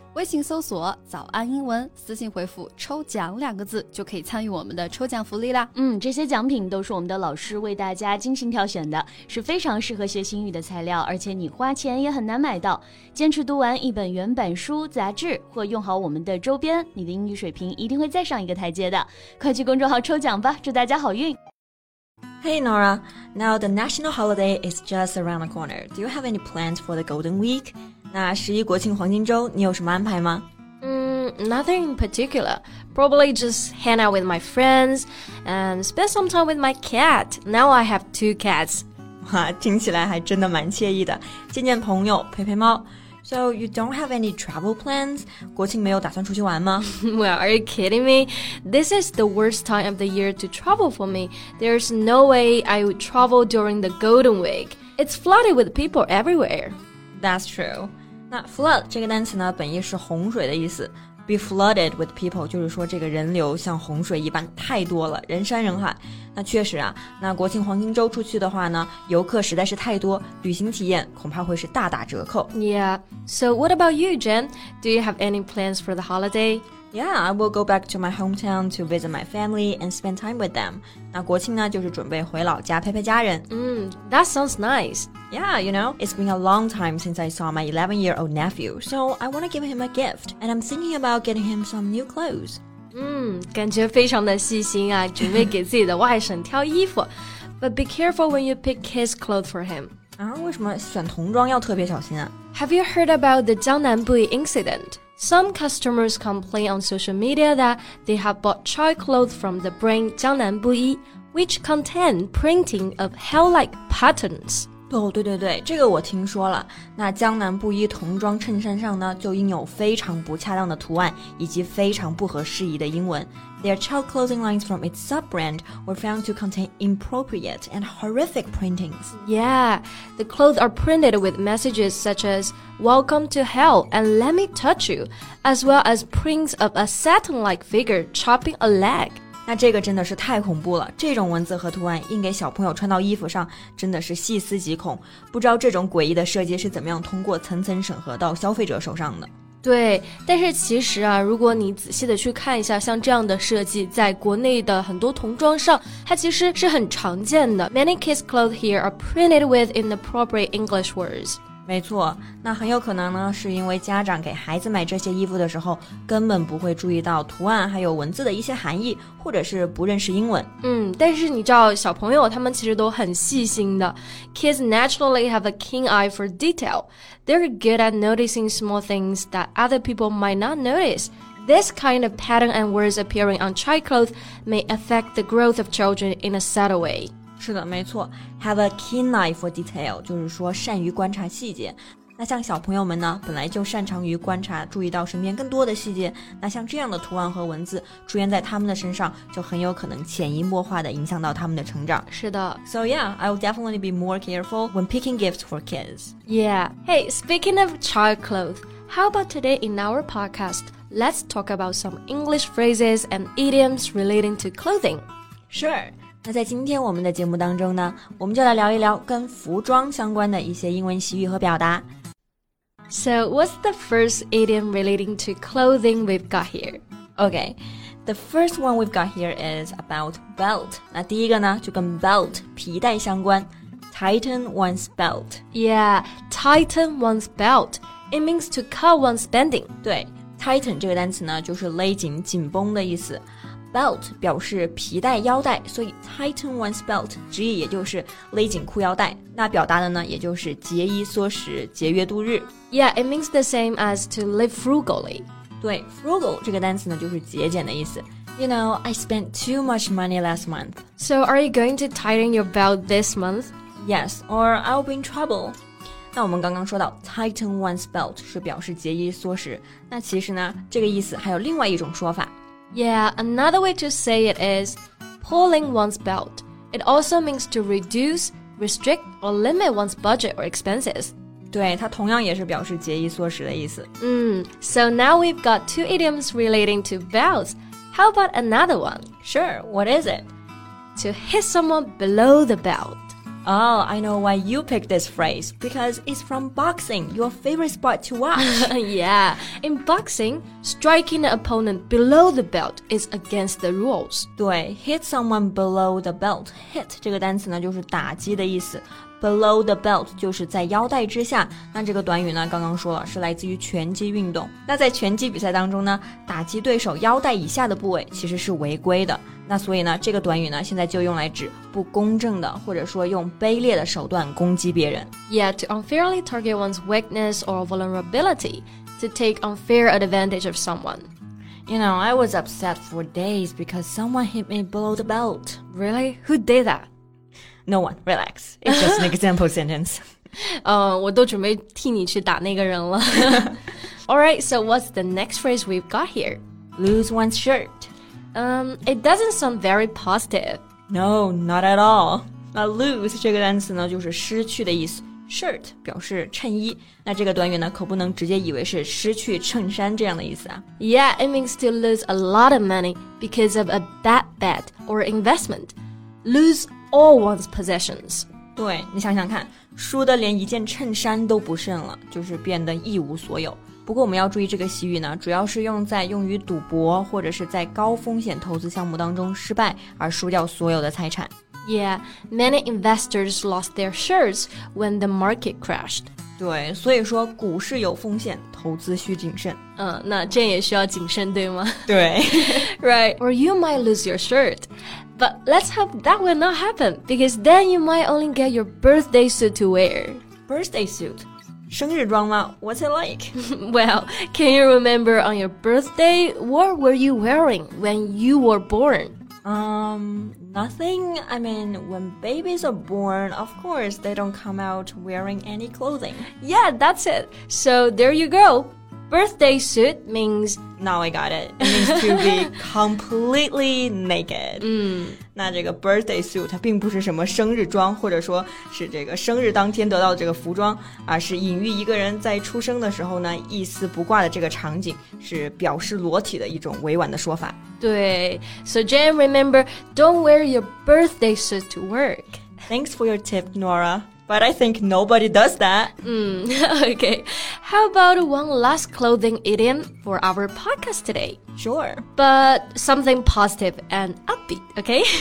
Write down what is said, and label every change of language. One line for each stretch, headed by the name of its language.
Chinese: 微信搜索早安英文，私信回复抽奖两个字，就可以参与我们的抽奖福利啦。嗯，这些奖品都是我们的老师为大家精心挑选的，是非常适合学习英语的材料，而且你花钱也很难买到。坚持读完一本原版书、杂志或用好我们的周边，你的英语水平一定会再上一个台阶的。快去公众号抽奖吧，祝大家好运。
English: Hey Nora, now the national holiday is just around the corner. Do you have any plans for the Golden Week?
Chinese: 那十一国庆黄金周你有什么安排吗？
English: Nothing in particular. Probably just hang out with my friends and spend some time with my cat. Now I have two cats.
Chinese: 哇，听起来还真的蛮惬意的，见见朋友，陪陪猫。
English: So you don't have any travel plans?
Chinese: 国庆没有打算出去玩吗?
English: Well, are you kidding me? This is the worst time of the year to travel for me. There's no way I would travel during the Golden Week. It's flooded with people everywhere. That's true.
Chinese: 那 flood 这个单词呢，本意是洪水的意思。
English: Be flooded with people
Chinese: 就是说这个人流像洪水一般太多了，人山人海。那确实啊，那国庆黄金周出去的话呢，游客实在是太多，旅行体验恐怕会是大打折扣。
English: Yeah, so what about you, Jen? Do you have any plans for the holiday? Yeah, I will go back to my hometown to visit my family and spend time with them.
Chinese: 那国庆呢，就是准备回老家陪陪家人。
English: That sounds nice. Yeah, you know, it's been a long time since I saw my 11-year-old nephew, so I want to give him a gift, and I'm thinking about getting him some new clothes.
Chinese: 感觉非常的细心啊，准备给自己的外甥挑衣服。
English: But be careful when you pick his clothes for him.
Chinese: 啊，为什么选童装要特别小心啊？
English: Have you heard about the 江南 Bui incident? Some customers complain on social media that they have bought child clothes from the brand 江南 Bui, which contain printing of hell-like patterns.
Chinese: 哦、oh, 对对对，这个我听说了。那江南布衣童装衬衫上呢，就印有非常不恰当的图案以及非常不合适宜的英文。
English: Their child clothing lines from its sub-brand were found to contain inappropriate and horrific printings. Yeah, the clothes are printed with messages such as Welcome to hell and let me touch you, as well as prints of a Satan-like figure chopping a leg.
Chinese: 那这个真的是太恐怖了，这种文字和图案印给小朋友穿到衣服上真的是细思极恐，不知道这种诡异的设计是怎么样通过层层审核到消费者手上的。对，但是其实啊，如果你仔细的去看一下，像这样的设计在国内的很多童装上它其实是很常见的。
English: Many kids' clothes here are printed with inappropriate English words.
Chinese: 没错，那很有可能呢，是因为家长给孩子买这些衣服的时候，根本不会注意到图案还有文字的一些含义，或者是不认识英文。但是你知道，小朋友他们其实都很细心的。
English: Kids naturally have a keen eye for detail. They're good at noticing small things that other people might not notice. This kind of pattern and words appearing on child clothes may affect the growth of children in a subtle way.
Chinese: 是的，没错。
English: Have a keen eye for detail,
Chinese: 就是说善于观察细节。那像小朋友们呢，本来就擅长于观察，注意到身边更多的细节。那像这样的图案和文字出现在他们的身上，就很有可能潜移默化地影响到他们的成长。是的。
English: So yeah, I will definitely be more careful when picking gifts for kids. Yeah. Hey, speaking of child clothes, how about today in our podcast? Let's talk about some English phrases and idioms relating to clothing. Sure.
Chinese: 那在今天我们的节目当中呢，我们就来聊一聊跟服装相关的一些英文习语和表达。
English: So, what's the first idiom relating to clothing we've got here? Okay, the first one we've got here is about belt.
Chinese: 那第一个呢，就跟 belt, 皮带相关。
English: Tighten one's belt. Yeah, tighten one's belt. It means to cut one's bending.
Chinese: 对, tighten 这个单词呢，就是勒紧、紧绷的意思。 Belt 表示皮带、腰带，所以
English: tighten one's belt
Chinese: 直译也就是勒紧裤腰带。那表达的呢，也就是节衣缩食、节约度日。
English: Yeah, it means the same as to live frugally.
Chinese: 对 ，frugal 这个单词呢，就是节俭的意思。
English: You know, I spent too much money last month. So are you going to tighten your belt this month? Yes, or I'll be in trouble. 那我们刚刚说到 tighten one's belt 是表示节衣缩食，那其实呢，这个意思还有另外一种说法。 Yeah, another way to say it is pulling one's belt. It also means to reduce, restrict, or limit one's budget or expenses. 对，它同样也是表示节衣缩食的意思。 So now we've got two idioms relating to belts. How about another one? Sure, what is it? to hit someone below the belt. Oh, I know why you picked this phrase, because it's from boxing, your favorite sport to watch. Yeah, in boxing, striking an opponent below the belt is against the rules.
Chinese: 对
English: hit someone below the belt,
Chinese: hit 这个单词呢就是打击的意思。
English: Below the belt
Chinese: 就是在腰带之下，那这个短语呢刚刚说了是来自于拳击运动。那在拳击比赛当中呢，打击对手腰带以下的部位其实是违规的，那所以呢这个短语呢现在就用来指不公正的或者说用卑劣的手段攻击别人。
English: Yeah, to unfairly target one's weakness or vulnerability, to take unfair advantage of someone. You know, I was upset for days because someone hit me below the belt. Really? Who did that? No one, relax. It's just an example sentence.
Chinese: 我都准备替你去打那个人了。
English: Alright, so what's the next phrase we've got here? Lose one's shirt. It doesn't sound very positive. No, not at all.
Chinese: 那 lose 这个单词呢就是失去的意思。Shirt 表示衬衣，那这个短语呢可不能直接以为是失去衬衫这样的意思啊。
English: Yeah, it means to lose a lot of money because of a bad bet or investment. Lose all one's possessions.
Chinese: 对，你想想看，输得连一件衬衫都不剩了，就是变得一无所有。不过我们要注意这个习语呢，主要是用于赌博或者是在高风险投资项目当中失败而输掉所有的财产。
English: Yeah, many investors lost their shirts when the market crashed.
Chinese: 对，所以说股市有风险，投资需谨慎。那这也需要谨慎，对吗？对。
English: Right, or you might lose your shirt. But let's hope that will not happen, because then you might only get your birthday suit to wear. Birthday suit?
Chinese: 生日装吗?
English: What's it like? Well, can you remember on your birthday, what were you wearing when you were born? Nothing. I mean, when babies are born, of course, they don't come out wearing any clothing. Yeah, that's it. So there you go. Birthday suit means... Now I got it. It means to be completely naked.
Chinese: 那这个 birthday suit 它并不是什么生日装，或者说是这个生日当天得到的这个服装，而是隐喻一个人在出生的时候呢，一丝不挂的这个场景，是表示裸体的一种委婉的说法。对。
English: So Jen, remember, don't wear your birthday suit to work. Thanks for your tip, Nora. But I think nobody does that. Okay. How about one last clothing idiom for our podcast today? Sure. But something positive and upbeat, okay?